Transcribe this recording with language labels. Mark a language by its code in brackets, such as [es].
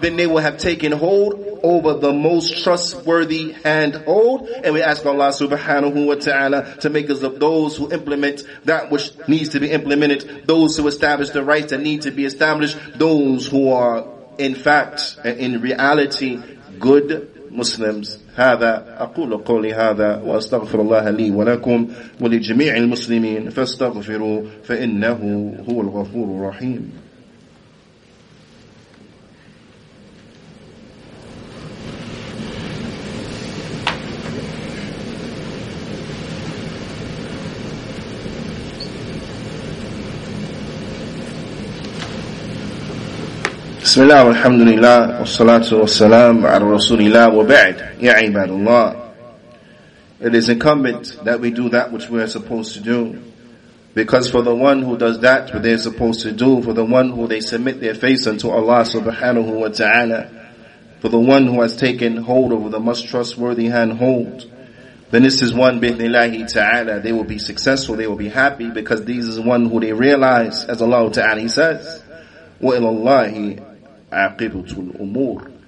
[en] Then they will have taken hold over the most trustworthy handhold. And we ask Allah subhanahu wa ta'ala to make us of those who implement that which needs to be implemented, those who establish the rights that need to be established, those who are in fact and in reality good Muslims. [ar] هذا أقول قولي هذا وأستغفر الله لي ولكم ولجميع المسلمين فاستغفروا فإنه هو الغفور الرحيم. بسم الله والحمد لله والصلاة والسلام على رسول الله وبعد يا عباد الله. [en] It is incumbent that we do that which we are supposed to do. Because for the one who does that what they are supposed to do, for the one who they submit their face unto Allah subhanahu wa ta'ala, for the one who has taken hold over the most trustworthy handhold, then this is one, bi'ithnillahi ta'ala, they will be successful, they will be happy, because this is one who they realize, as Allah ta'ala he says, [ar] وَإِلَى اللَّهِ عَقِبُتُ الْأُمُورِ.